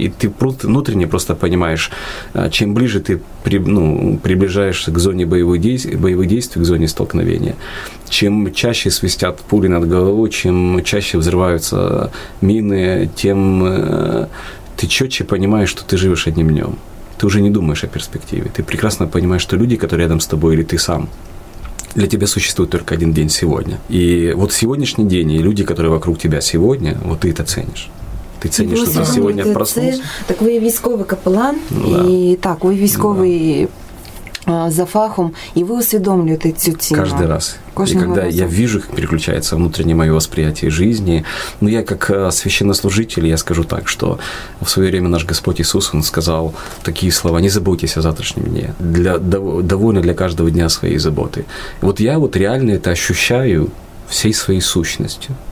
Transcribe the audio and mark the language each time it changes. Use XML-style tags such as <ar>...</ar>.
<ru>И ты внутренне просто понимаешь, чем ближе ты приближаешься к зоне боевых действий, к зоне столкновения, чем чаще свистят пули над головой, чем чаще взрываются мины, тем ты четче понимаешь, что ты живешь одним днем. Ты уже не думаешь о перспективе. Ты прекрасно понимаешь, что люди, которые рядом с тобой, или ты сам, для тебя существует только один день сегодня. И вот сегодняшний день, и люди, которые вокруг тебя сегодня, вот ты это ценишь.</ru> <uk>Ти цінніше, що ти сьогодні проснувся. Так, ви військовий капелан, ви військовий за фахом, і ви усвідомлюєте цю ціну. Кожен раз.</uk> <ru>И когда я вижу, как переключается внутреннее мое восприятие жизни, ну, я как священнослужитель, я скажу так, что в свое время наш Господь Иисус, Он сказал такие слова: «Не забудьтесь о завтрашнем дне, довольно для каждого дня своей заботы». Вот я вот реально это ощущаю всей своей сущностью.</ru>